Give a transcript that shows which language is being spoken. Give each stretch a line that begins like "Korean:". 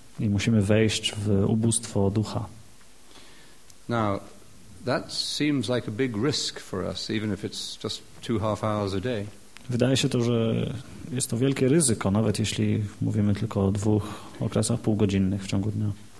Polish: I musimy wejść w ubóstwo ducha.
English: Now, that seems like a big risk for us, even if it's just 2.5 hours a day.
Polish: Wydaje się to, że jest to wielkie ryzyko, nawet jeśli mówimy tylko o dwóch okresach półgodzinnych w ciągu dnia.